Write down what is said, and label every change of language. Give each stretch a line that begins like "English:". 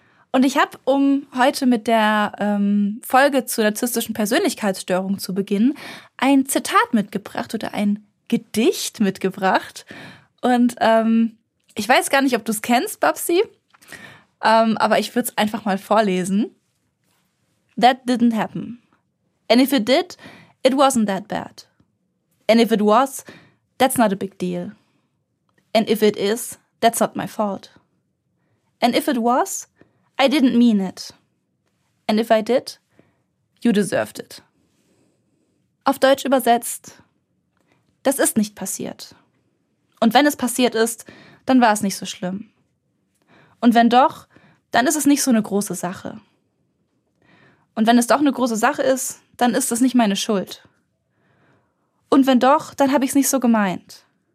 German: Und ich habe, um heute mit der Folge zur narzisstischen Persönlichkeitsstörung zu beginnen, ein Zitat mitgebracht oder ein Gedicht mitgebracht. Und ich weiß gar nicht, ob du es kennst, Babsi, aber ich würde es einfach mal vorlesen.
English: That didn't happen. And if it did, it wasn't that bad. And if it was, that's not a big deal. And if it is, that's not my fault. And if it was, I didn't mean it. And if I did, you deserved it.
German: Auf Deutsch übersetzt, das ist nicht passiert. Und wenn es passiert ist, dann war es nicht so schlimm. Und wenn doch, dann ist es nicht so eine große Sache. Und wenn es doch eine große Sache ist, dann ist es nicht meine Schuld. Und wenn doch, dann habe ich es nicht so gemeint.